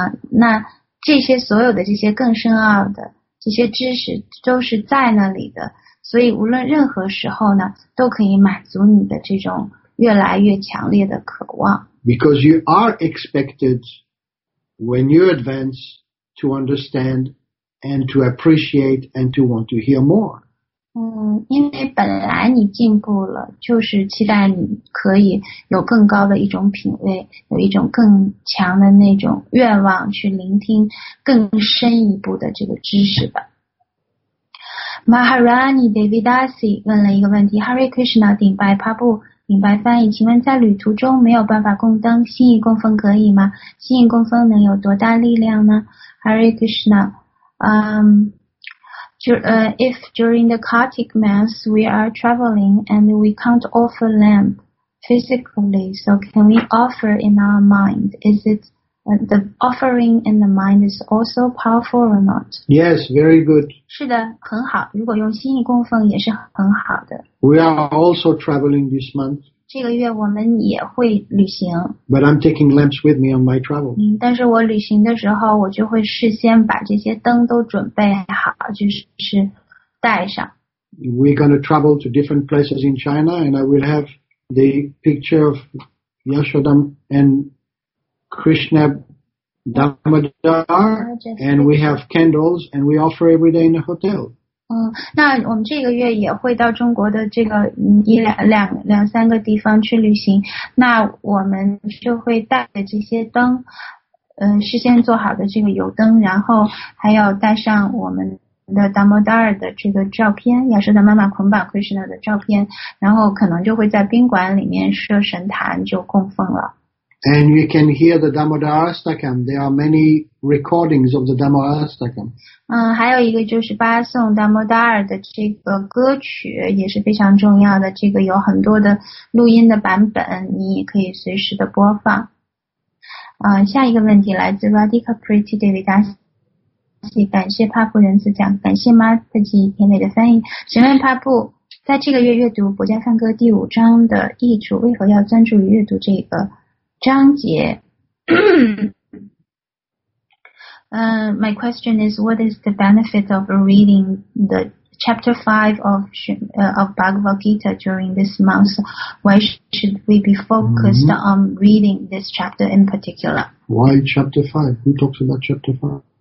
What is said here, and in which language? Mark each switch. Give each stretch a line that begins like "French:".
Chinese: 那这些所有的这些更深奥的这些知识都是在那里的，所以无论任何时候呢，都可以满足你的这种越来越强烈的渴望。
English: Because you are expected, when you advance, to understand and to appreciate and to want to hear more.
Chinese: 因为本来你进步了，就是期待你可以有更高的一种品味，有一种更强的那种愿望去聆听更深一步的这个知识吧。 Maharani Devidasi 问了一个问题 ，Hare Krishna, 顶拜 Prabhu。明白翻译，请问在旅途中没有办法供灯，心意供奉可以吗？心意供奉能有多大力量呢
English: ？Hare Krishna, if during the Kartik months we are traveling and we can't offer lamp, physically, so can we offer in our mind? Is it the offering in the mind is also powerful or not? Yes, very good.
Chinese: 是的，很好。如果用心意供奉也是很好的。
English: We are also traveling this month.
Chinese: 这个月我们也会旅行。
English: But I'm taking lamps with me on my travel.
Chinese: 嗯，但是我旅行的时候，我就会事先把这些灯都准备好，就是带上。
English: We're going to travel to different places in China, and I will have the picture of Yashodam and Krishna Damodar, and we have candles, and we offer every day in the hotel.
Chinese: 那我们这个月也会到中国的这个两三个地方去旅行，那我们就会带着这些灯，事先做好的这个油灯，然后还要带上我们的达摩达尔的这个照片，亚瑟的妈妈捆绑 Krishna 的照片，然后可能就会在宾馆里面设神坛就供奉了。
English: And you can hear the Damodarastakam. There are many recordings of the Damodarastakam.
Chinese: 还有一个就是巴颂达摩达尔的这个歌曲也是非常重要的，这个有很多的录音的版本，你也可以随时的播放。下一个问题来自 Radhika Pretty Devi Das。感谢帕布仁慈讲，感谢马特吉田磊的翻译。请问帕布，在这个月阅读《博家梵歌》第五章的译注，为何要专注于阅读这个章节？
English: my question is, what is the benefit of reading the chapter 5 of Bhagavad Gita during this month? Why should we be focused on reading this chapter in particular? Why chapter 5? Who talks about chapter 5?